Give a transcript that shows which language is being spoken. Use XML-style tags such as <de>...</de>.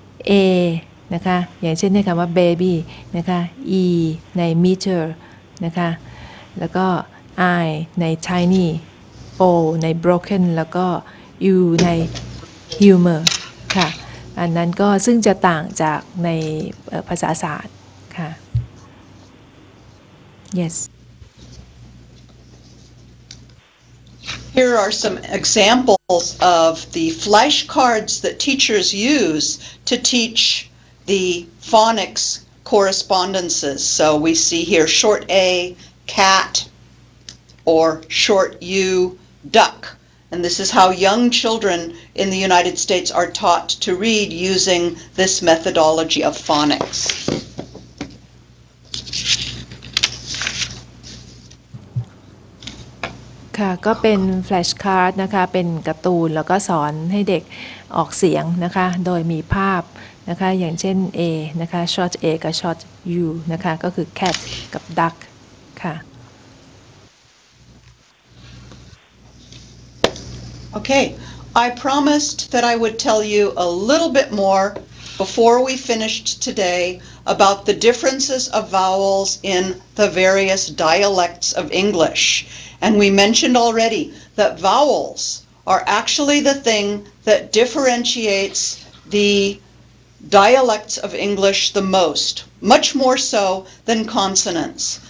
<th>A นะคะอย่างเช่นในคำว่า baby นะคะ E ใน meter นะคะแล้วก็ I ใน tiny O ใน broken แล้วก็ U ใน humor ค่ะอันนั้นก็ซึ่งจะต่างจากในภาษาศาสตร์ค่ะ</th> <en>Yes Here are some examples of the flashcards that teachers use to teach the phonics correspondences. So we see here short A, cat, or short U, duck. And this is how young children in the United States are taught to read using this methodology of phonics.</en> <th>ค่ะก็เป็นแฟลชการ์ดนะคะเป็นการ์ตูนแล้วก็สอนให้เด็กออกเสียงนะคะโดยมีภาพนะคะอย่างเช่น A นะคะ short A กับ short U นะคะก็คือ cat กับ duck ค่ะ</th> <en>Okay I promised that I would tell you a little bit more before we finished today about the differences of vowels in the various dialects of English and we mentioned already that vowels are actually the thing that differentiates the dialects of English the most, much more so than consonants.</en>